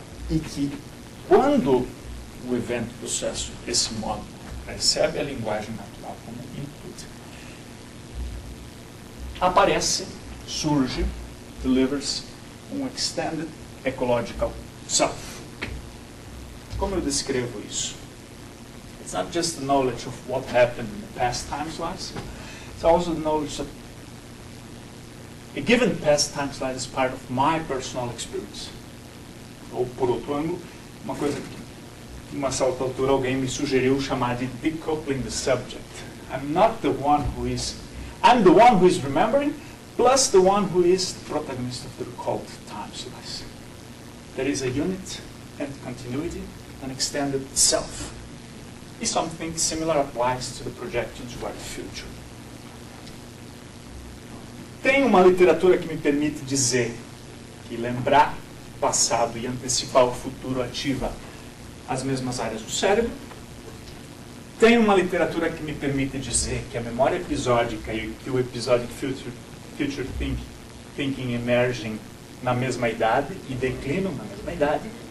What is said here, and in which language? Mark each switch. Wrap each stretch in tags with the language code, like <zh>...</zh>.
<pt>E que quando o evento processo desse modo recebe a linguagem natural como input, aparece, surge,</pt> <en>delivers</en> <pt>um</pt> <en>extended ecological self.</en> <pt>Como eu descrevo isso?</pt> <en>It's not just the knowledge of what happened in the past time slice, it's also the knowledge that a given past time slice is part of my personal experience.</en> <pt>Ou, por outro ângulo, uma coisa que uma certa altura alguém me sugeriu chamar de</pt> <en>decoupling the subject. I'm not the one who is, I'm the one who is remembering, plus the one who is the protagonist of the recalled time slice. There is a unit and continuity, an extended self. If something similar applies to the projection toward the future.</en> <pt>Tem uma literatura que me permite dizer que lembrar o passado e antecipar o futuro ativa as mesmas áreas do cérebro. Tem uma literatura que me permite dizer que a memória episódica e que o</pt> <en>episodic future thinking</en> <pt>emergem na mesma idade e declinam na mesma idade.</pt>